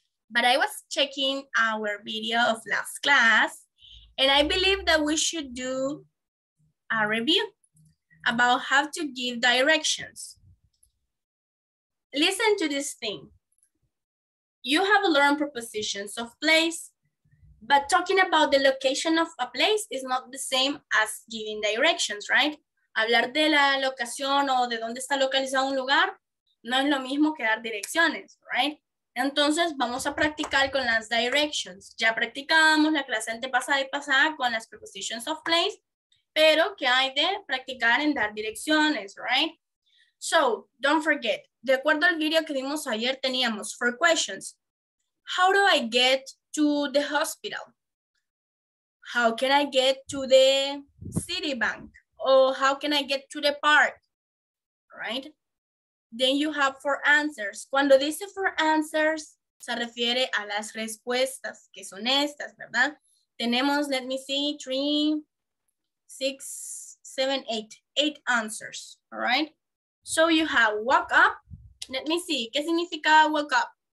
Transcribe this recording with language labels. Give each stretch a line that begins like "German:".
English: But I was checking our video of last class, and I believe that we should do a review about how to give directions. Listen to this thing. You have learned prepositions of place, but talking about the location of a place is not the same as giving directions, right?
Spanish: Hablar de la locación o de dónde está localizado un lugar no es lo mismo que dar direcciones,
English: right?
Spanish: Entonces, vamos a practicar con las directions. Ya practicamos la clase antepasada y pasada con las prepositions of place, pero ¿qué hay de practicar en dar direcciones,
English: right? So, don't forget,
Spanish: de acuerdo al video que vimos ayer, teníamos
English: four questions. How do I get to the hospital? How can I get to the city bank? Or how can I get to the park, right? Then you have four answers.
Spanish: Cuando dice
English: four answers,
Spanish: se refiere a las respuestas, que son estas, ¿verdad? Tenemos,
English: let me see, three, six, seven, eight. Eight answers, all right? So you have walk up. Let me see,
Spanish: ¿qué significa
English: walk up?